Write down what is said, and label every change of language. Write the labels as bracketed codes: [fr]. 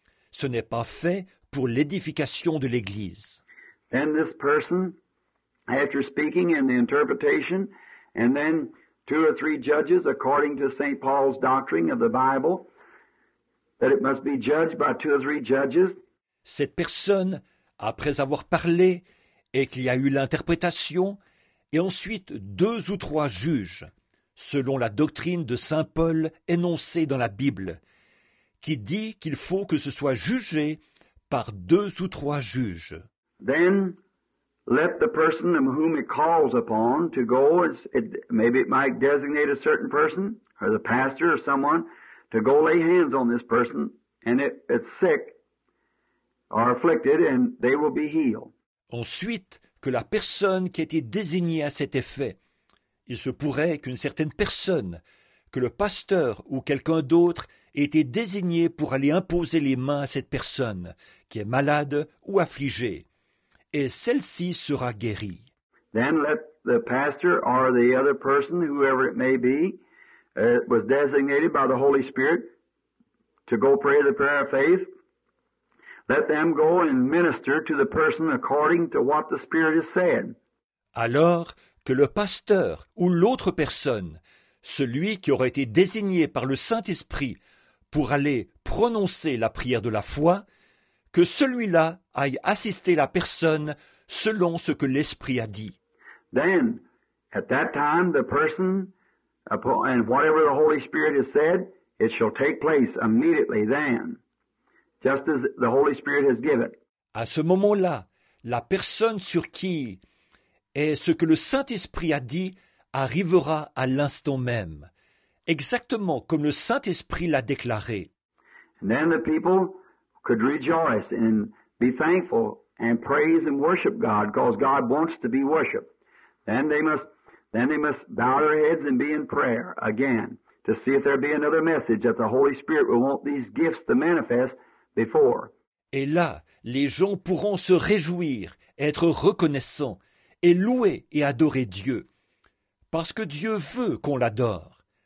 [fr] Ce n'est pas fait pour l'édification de l'Église. [en] Then this person, after speaking and the interpretation, and then two or three judges, according to St. Paul's doctrine of the Bible, that it must be judged by two or three judges. [fr] Cette personne, après avoir parlé et qu'il y a eu l'interprétation, et ensuite deux ou trois juges, selon la doctrine de Saint Paul énoncée dans la Bible, qui dit qu'il faut que ce soit jugé par deux ou trois juges. [en] Then let the person whom it calls upon to go, maybe it might designate a certain person, or the pastor or someone, to go lay hands on this person, and it's sick, or afflicted, and they will be healed. [fr] Ensuite, que la personne qui a été désignée à cet effet, il se pourrait qu'une certaine personne, que le pasteur ou quelqu'un d'autre ait été désigné pour aller imposer les mains à cette personne qui est malade ou affligée. Et celle-ci sera guérie. [en] Then let the pastor or the other person, whoever it may be, was designated by the Holy Spirit to go pray the prayer of faith. Let them go and minister to the person according to what the Spirit has said. [fr] Alors que le pasteur ou l'autre personne, celui qui aurait été désigné par le Saint-Esprit pour aller prononcer la prière de la foi, que celui-là aille assister la personne selon ce que l'Esprit a dit. [en] Then, at that time, the person, and whatever the Holy Spirit has said, it shall take place immediately then, just as the Holy Spirit has given. [fr] À ce moment-là, la personne sur qui est ce que le Saint-Esprit a dit arrivera à l'instant même, exactement comme le Saint-Esprit l'a déclaré. [en] And then the people could rejoice and be thankful and praise and worship God, because God wants to be worshipped. Then they must bow their heads and be in prayer again to see if there be another message that the Holy Spirit will want these gifts to manifest before. [fr] Et là, les gens pourront se réjouir, être reconnaissants et louer et adorer Dieu, parce que Dieu veut qu'on l'adore.